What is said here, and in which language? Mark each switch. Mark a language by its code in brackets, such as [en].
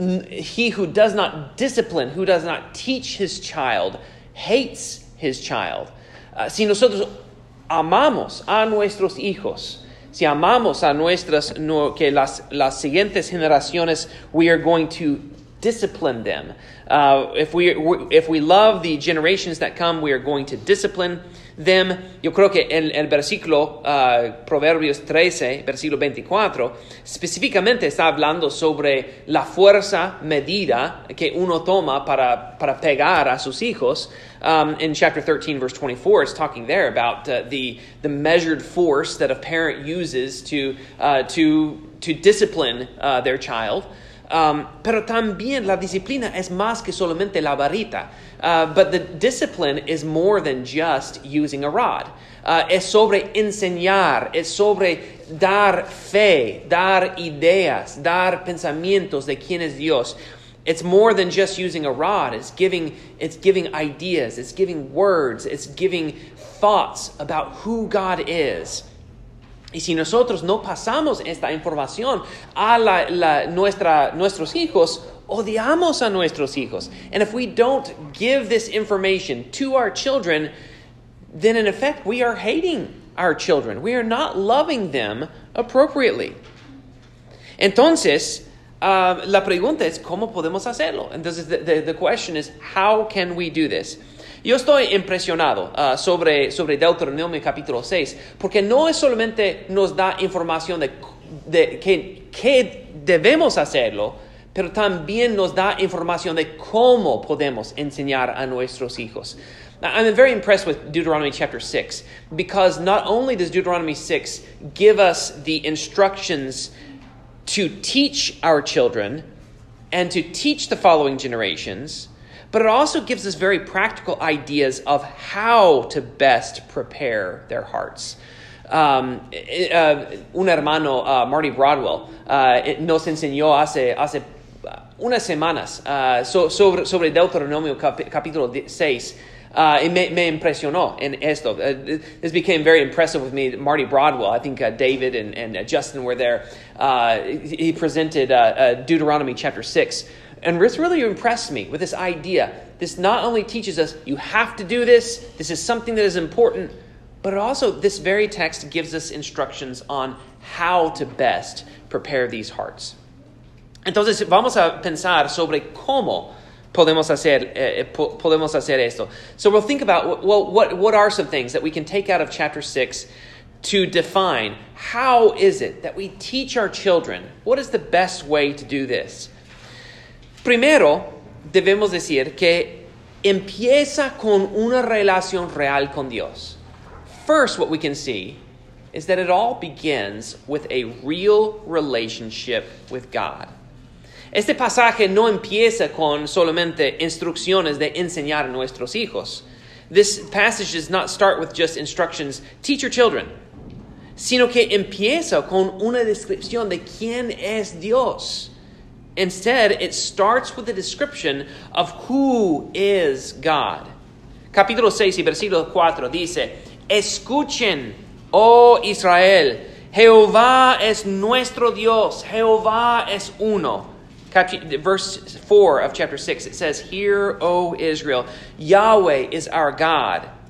[en] He who does not discipline, who does not teach his child, hates his child. [es] Si nosotros amamos a nuestros hijos, si amamos a nuestras, que las siguientes generaciones, [en] we are going to discipline them. If we love the generations that come, we are going to discipline them. [es] Yo creo que el versículo, Proverbios 13, versículo 24, específicamente está hablando sobre la fuerza medida que uno toma para pegar a sus hijos. [en] In chapter 13, verse 24, it's talking there about the measured force that a parent uses to discipline their child. [es] Pero también la disciplina es más que solamente la varita. [en] But the discipline is more than just using a rod. [es] Es sobre enseñar, es sobre dar fe, dar ideas, dar pensamientos de quién es Dios. [en] It's more than just using a rod. It's giving ideas, it's giving words, it's giving thoughts about who God is. [es] Y si nosotros no pasamos esta información a nuestros hijos, odiamos a nuestros hijos. [en] And if we don't give this information to our children, then in effect we are hating our children. We are not loving them appropriately. [es] Entonces, la pregunta es, ¿cómo podemos hacerlo? [en] Entonces, the question is, how can we do this? [es] Yo estoy impresionado sobre Deuteronomio capítulo 6, porque no es solamente nos da información de qué debemos hacerlo, pero también nos da información de cómo podemos enseñar a nuestros hijos. [en] I'm very impressed with Deuteronomy chapter 6, because not only does Deuteronomy 6 give us the instructions to teach our children and to teach the following generations, but it also gives us very practical ideas of how to best prepare their hearts. [es] Un hermano, Marty Broadwell, nos enseñó hace unas semanas sobre Deuteronomio capítulo 6. Me impresionó en esto. [en] This became very impressive with me. Marty Broadwell, I think David and Justin were there. He presented Deuteronomy chapter 6. And this really impressed me with this idea. This not only teaches us you have to do this, this is something that is important, but also this very text gives us instructions on how to best prepare these hearts. [es] Entonces, vamos a pensar sobre cómo podemos hacer esto. [en] So we'll think about, well, what are some things that we can take out of chapter 6 to define how is it that we teach our children? What is the best way to do this? [es] Primero, debemos decir que empieza con una relación real con Dios. [en] First, what we can see is that it all begins with a real relationship with God. [es] Este pasaje no empieza con solamente instrucciones de enseñar a nuestros hijos. [en] This passage does not start with just instructions, teach your children, [es] sino que empieza con una descripción de quién es Dios. [en] Instead, it starts with a description of who is God. [es] Capítulo 6 y versículo 4 dice, escuchen, oh Israel, Jehová es nuestro Dios, Jehová es uno. [en] Verse 4 of chapter 6, it says, hear, O Israel, Yahweh is our God.